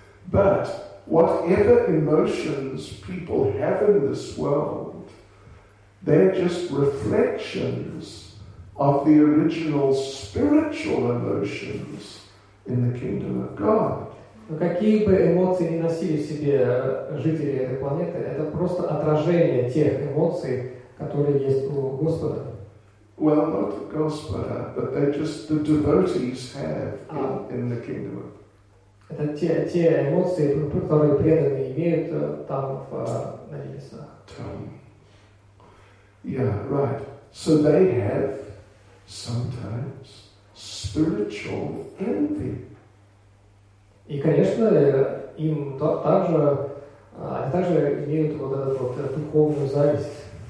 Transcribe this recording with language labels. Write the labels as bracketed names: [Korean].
[English] But whatever emotions people have in this world, they're just reflections of the original spiritual emotions in the kingdom of God. [Russian] Но какие бы эмоции ни носили в себе жители этой планеты, это просто отражение тех эмоций, которые есть у Господа. [English] Well, not the Gospoda, but they're just the devotees have in the kingdom of God. [Russian] Это те эмоции, которые преданные имеют там в небесах. [English] Yeah, right. So they have sometimes spiritual envy. [Russian] И, конечно, им также, они также имеют вот эту вот духовную зависть.